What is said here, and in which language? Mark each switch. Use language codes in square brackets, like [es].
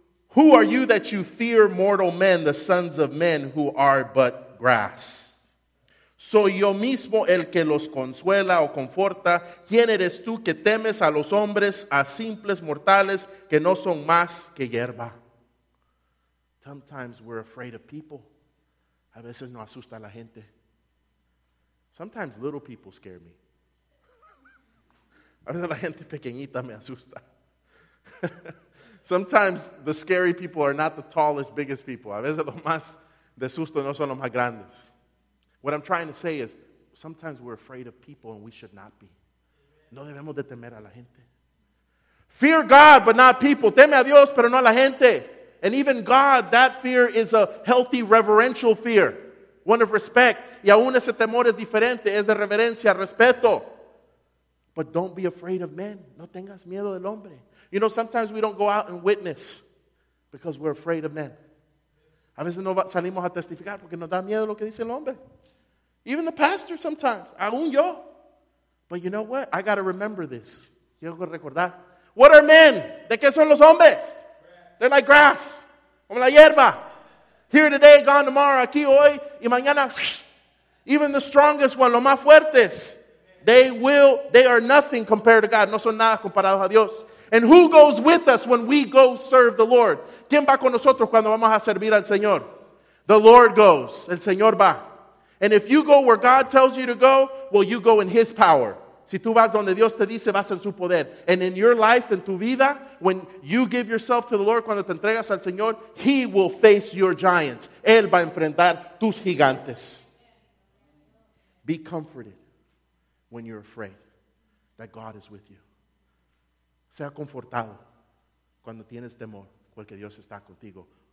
[en] Who are you that you fear mortal men, the sons of men who are but grass? [es] Soy yo mismo el que los consuela o conforta. ¿Quién eres tú que temes a los hombres, a simples mortales que no son más que hierba? [en] Sometimes we're afraid of people. [es] A veces no asusta a la gente. [en] Sometimes little people scare me. [es] A veces la gente pequeñita me asusta. [en] Sometimes the scary people are not the tallest, biggest people. [es] A veces los más de susto no son los más grandes. [en] What I'm trying to say is, sometimes we're afraid of people and we should not be. [es] No debemos de temer a la gente. [en] Fear God, but not people. [es] Teme a Dios, pero no a la gente. [en] And even God, that fear is a healthy, reverential fear. One of respect. [es] Y aún ese temor es diferente. Es de reverencia, respeto. [en] But don't be afraid of men. [es] No tengas miedo del hombre. [en] You know, sometimes we don't go out and witness because we're afraid of men. [es] A veces no salimos a testificar porque nos da miedo lo que dice el hombre. [en] Even the pastor sometimes, [es] aún yo. [en] But you know what? I got to remember this. [es] Tengo que recordar. [en] What are men? [es] ¿De qué son los hombres? [en] They're like grass. [es] Como la hierba. [en] Here today, gone tomorrow. [es] Aquí hoy y mañana. [en] Even the strongest one, [es] los más fuertes. [en] They are nothing compared to God. [es] No son nada comparados a Dios. [en] And who goes with us when we go serve the Lord? [es] ¿Quién va con nosotros cuando vamos a servir al Señor? [en] The Lord goes. [es] El Señor va. [en] And if you go where God tells you to go, well, you go in His power. [es] Si tú vas donde Dios te dice, vas en su poder. [en] And in your life, in [es] tu vida, [en] when you give yourself to the Lord, [es] cuando te entregas al Señor, [en] He will face your giants. [es] Él va a enfrentar tus gigantes. [en] Be comforted when you're afraid that God is with you. [es] Sea confortado cuando tienes temor, porque Dios está contigo.